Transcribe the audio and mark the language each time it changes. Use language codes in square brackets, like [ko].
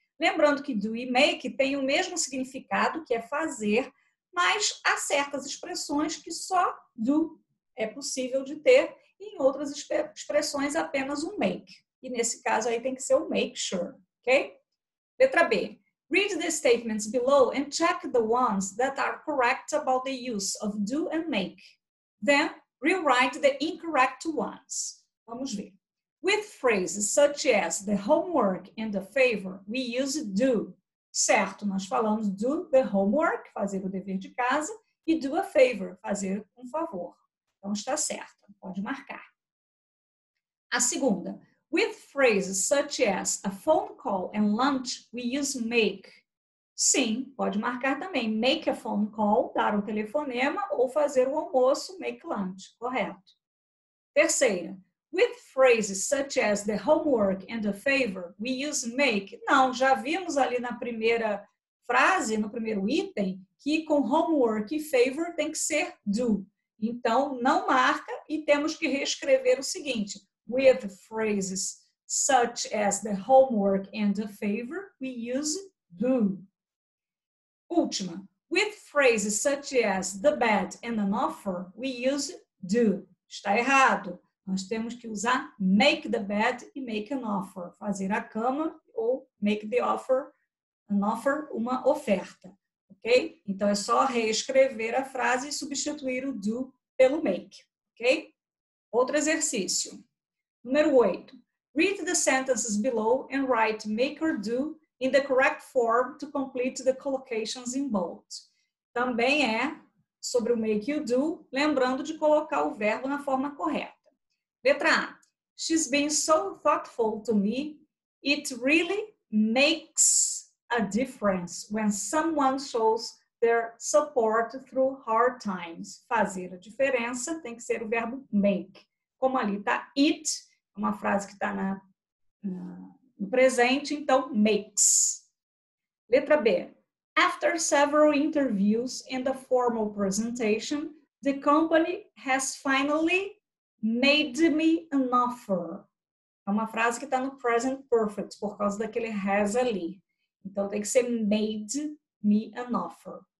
[pt] Lembrando que do e make tem o mesmo significado, que é fazer, mas há certas expressões que só do é possível de ter, e em outras expressões apenas o make. E nesse caso aí tem que ser o make sure, ok? Letra B. [en] Read the statements below and check the ones that are correct about the use of do and make. Then, rewrite the incorrect ones. [pt] Vamos ver. [en] With phrases such as the homework and the favor, we use do. [pt] Certo, nós falamos [en] do the homework, [pt] fazer o dever de casa, e [en] do a favor, [pt] fazer um favor. Então, está certo, pode marcar. A segunda. [en] With phrases such as a phone call and lunch, we use make. [pt] Sim, pode marcar também. [en] Make a phone call, [pt] dar o telefonema ou fazer o almoço, [en] make lunch. [pt] Correto. Terceira. [en] With phrases such as the homework and the favor, we use make. [pt] Não, já vimos ali na primeira frase, no primeiro item, que com homework e favor tem que ser do. Então, não marca e temos que reescrever o seguinte. [en] With phrases such as the homework and the favor, we use do. [pt] Última. [en] With phrases such as the bed and an offer, we use do. [pt] Está errado. Nós temos que usar [en] make the bed [pt] e [en] make an offer. [pt] Fazer a cama ou [en] make the offer, an offer, [pt] uma oferta. Ok? Então é só reescrever a frase e substituir o do pelo make. Ok? Outro exercício. Número 8. [en] Read the sentences below and write make or do in the correct form to complete the collocations in bold. [pt] Também é sobre o make e o do, lembrando de colocar o verbo na forma correta. Letra A. [en] She's been so thoughtful to me, it really makes a difference when someone shows their support through hard times. [pt] Fazer a diferença tem que ser o verbo make. Como ali está it, uma frase que está no presente, então makes. Letra B. [en] After several interviews and a formal presentation, the company has finally made me an offer. [pt] É uma frase que está no present perfect, por causa daquele has ali. Então tem que ser [en] made me an offer.